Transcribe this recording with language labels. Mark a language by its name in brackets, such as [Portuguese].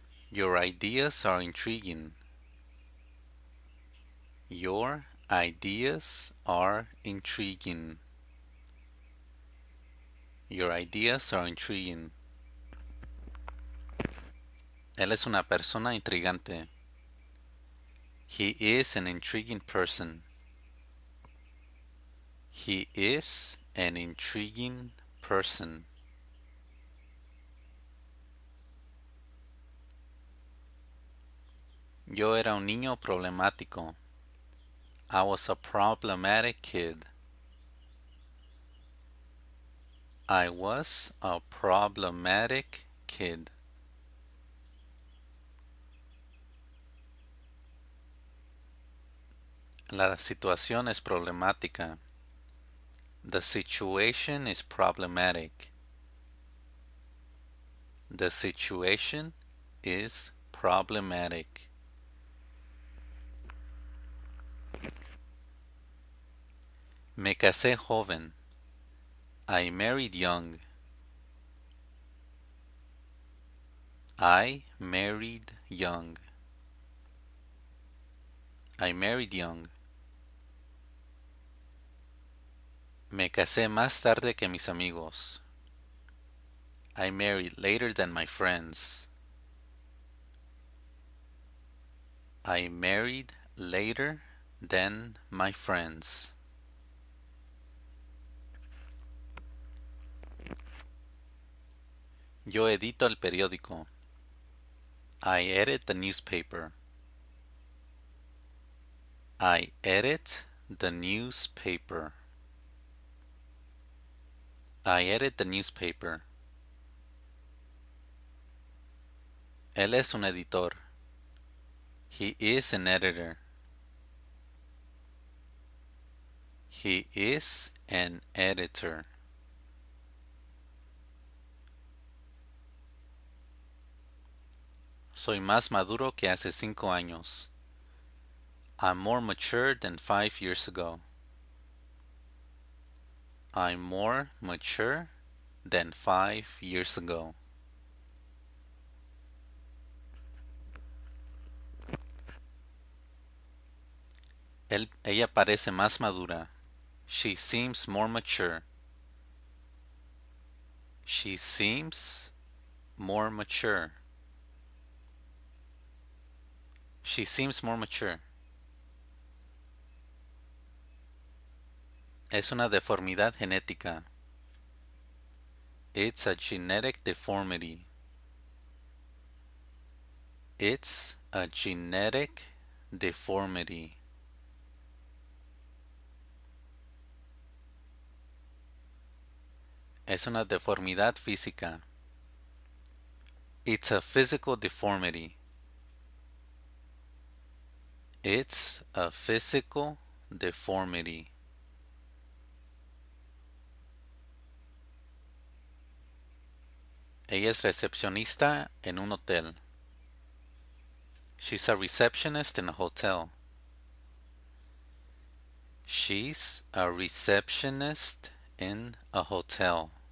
[English] Your ideas are intriguing. Your ideas are intriguing. Your ideas are intriguing. [Spanish] Él es una persona intrigante. [English] He is an intriguing person. He is an intriguing person. [Spanish] Yo era un niño problemático. [English] I was a problematic kid. I was a problematic kid. [Spanish] La situación es problemática. [English] The situation is problematic. The situation is problematic. [Spanish] Me casé joven. [English] I married young. I married young. I married young. [Spanish] Me casé más tarde que mis amigos. [English] I married later than my friends. I married later than my friends. [Spanish] Yo edito el periódico. [English] I edit the newspaper. I edit the newspaper. I edit the newspaper. [Spanish] Él es un editor. [English] He is an editor. He is an editor. [Spanish] Soy más maduro que hace 5 años. [English] I'm more mature than 5 years ago. I'm more mature than 5 years ago. [Spanish] Ella parece más madura. [English] She seems more mature. She seems more mature. She seems more mature. [Spanish] Es una deformidad genética. [English] It's a genetic deformity. It's a genetic deformity. [Spanish] Es una deformidad física. [English] It's a physical deformity. It's a physical deformity. [Spanish] Ella es recepcionista en un hotel. [English] She's a receptionist in a hotel. She's a receptionist in a hotel.